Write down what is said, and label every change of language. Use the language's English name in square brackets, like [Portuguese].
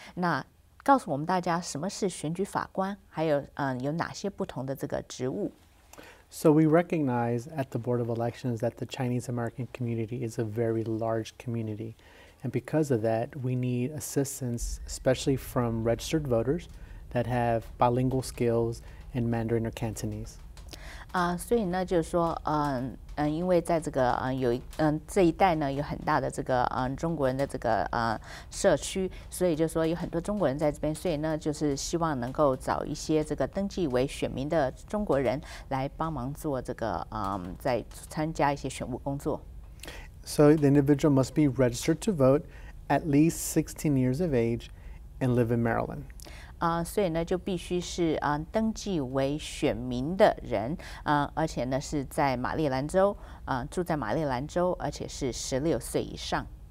[Chinese] 那告诉我们大家什么是选举法官，还有有哪些不同的这个职务。 [English] So we recognize at the Board of Elections that the Chinese American community is a very large community, and because of that, we need assistance, especially from registered voters. That have bilingual skills in Mandarin or Cantonese. [Chinese] 所以呢，就是说，因为在这个有这一带呢，有很大的这个中国人的这个社区，所以就说有很多中国人在这边，所以呢，就是希望能够找一些这个登记为选民的中国人来帮忙做这个在参加一些选务工作。 [English] So the individual must be registered to vote, at least 16 years of age, and live in Maryland. [Chinese] 所以呢就必须是登记为选民的人而且呢是在马里兰州住在马里兰州而且是16岁以上。